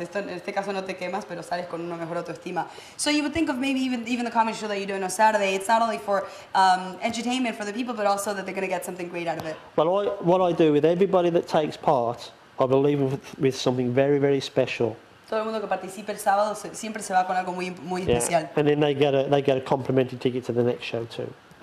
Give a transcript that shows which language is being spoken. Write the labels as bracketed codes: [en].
[es] Esto, en este caso no te quemas, pero sales con una mejor autoestima. [en] So you would think of maybe even the comedy show that you do on a Saturday, it's not only for entertainment for the people, but also that they're going to get something great out of it. Well, what I do with everybody that takes part, I believe with something very, very special. [es] Todo el mundo que participe el sábado siempre se va con algo muy, muy especial. [en] And then they get a complimentary ticket to the next show too.